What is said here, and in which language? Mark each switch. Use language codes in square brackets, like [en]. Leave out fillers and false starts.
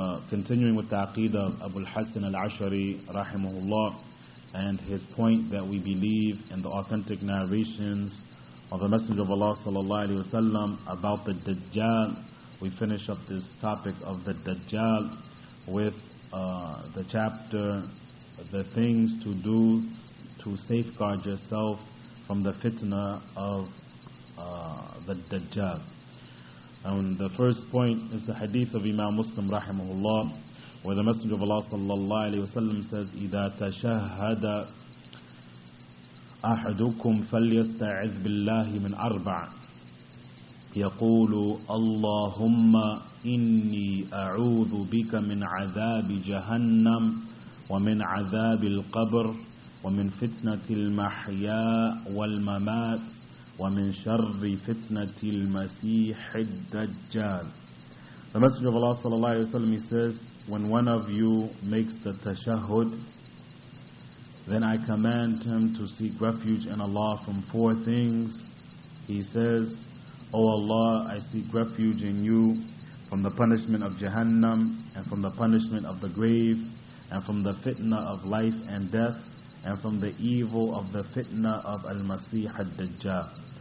[en] Continuing with the aqidah of Abu al-Hassan al-Ashari rahimahullah, and his point that we believe in the authentic narrations of the Messenger of Allah sallallahu alaihi wasallam about the Dajjal, we finish up this topic of the Dajjal with the chapter, the things to do to safeguard yourself from the fitna of the Dajjal. And the first point is the hadith of Imam Muslim rahimahullah, where the Messenger of Allah sallallahu alaihi wasallam says, [ar] إِذَا تَشَهَّدَ أَحَدُكُمْ فَلْيَسْتَعِذْ بِاللَّهِ مِنْ أَرْبَعَ يَقُولُ اللَّهُمَّ إني أعوذ بك من عذاب جهنم ومن عذاب القبر ومن فتنة المحيا والممات ومن شر فتنة المسيح الدجال. [en] The Messenger of Allah sallallahu alaihi wasallam, he says, when one of you makes the tashahud, then I command him to seek refuge in Allah from four things. He says, O Allah, I seek refuge in you from the punishment of Jahannam, and from the punishment of the grave, and from the fitna of life and death, and from the evil of the fitna of Al-Masih Ad-Dajjal.